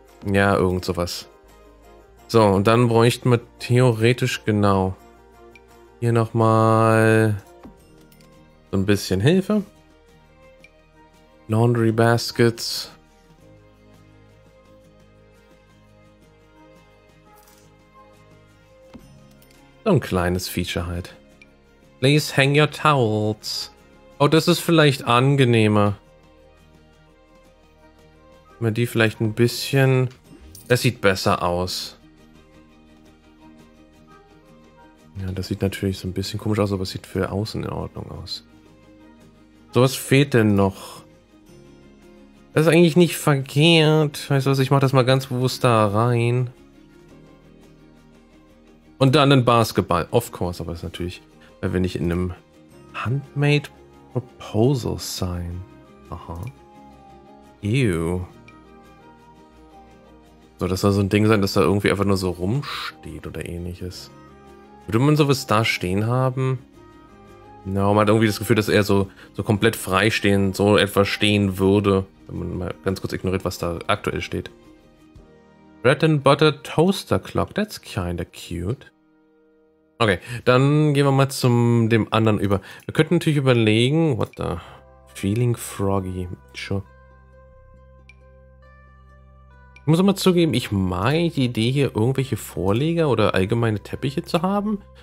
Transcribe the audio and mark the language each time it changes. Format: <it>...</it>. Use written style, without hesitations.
<de>Ja, irgend sowas. So, und dann bräuchten wir theoretisch genau hier nochmal so ein bisschen Hilfe.</de> <en>Laundry Baskets.</en> <de>So ein kleines Feature halt.</de> <en>Please hang your towels.</en> <de>Oh, das ist vielleicht angenehmer. Mal die vielleicht ein bisschen... Das sieht besser aus. Ja, das sieht natürlich so ein bisschen komisch aus, aber es sieht für außen in Ordnung aus. So, was fehlt denn noch? Das ist eigentlich nicht verkehrt. Weißt du was, ich mach das mal ganz bewusst da rein. Und dann ein Basketball.</de> <en>Of course,</en> <de>aber das ist natürlich, weil wir nicht in einem Handmade Proposal sein. Aha. Ew. So, das soll so ein Ding sein, das da irgendwie einfach nur so rumsteht oder ähnliches. Würde man sowas da stehen haben? Na, no, man hat irgendwie das Gefühl, dass er so komplett freistehend so etwas stehen würde. Wenn man mal ganz kurz ignoriert, was da aktuell steht.</de> <en>Bread and Butter Toaster Clock. That's kinda cute.</en> <de>Okay, dann gehen wir mal zum dem anderen über. Wir könnten natürlich überlegen...</de> <en>What the... Feeling Froggy. Sure.</en> <de>Ich muss immer zugeben, ich mag die Idee, hier irgendwelche Vorleger oder allgemeine Teppiche zu haben.</de>